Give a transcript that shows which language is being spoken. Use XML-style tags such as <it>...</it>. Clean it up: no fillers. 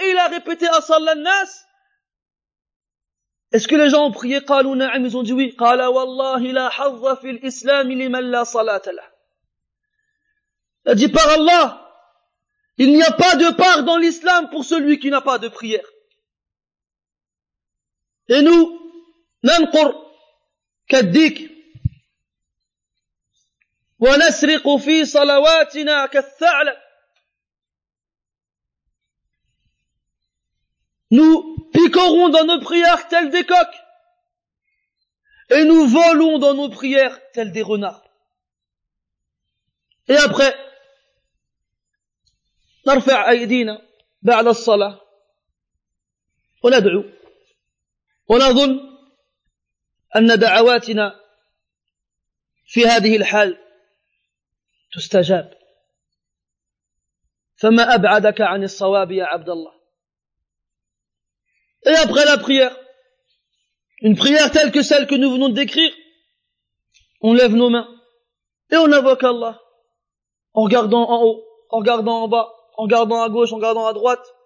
<fr>Et il a répété «</fr> <ar>As-salla an-nas ».</ar> <fr>Est-ce que les gens ont prié ?«</fr> <ar>Qalou na'am ».</ar> <fr>Ils ont dit oui.</fr> <ar>« Qala wallahi la hazza fil islam liman la salata la ».</ar> <fr>Il a dit « Par Allah ». Il n'y a pas de part dans l'islam pour celui qui n'a pas de prière. Et nous,</fr> <ar>ننقر كالديك ونسرق في صلواتنا كالثعلب.</ar> <fr>Nous piquerons dans nos prières telles des coqs et nous volons dans nos prières telles des renards. Et après,</fr> <ar>نرفع أيدينا بعد الصلاة وندعو ونظن أن دعواتنا في هذه الحال تستجاب فما أبعدك عن الصواب يا عبد الله.</ar> <fr>Et après la prière, une prière telle que celle que nous venons de décrire, on lève nos mains et on invoque Allah en regardant en haut, en regardant en bas, en regardant à gauche, en regardant à droite.</fr>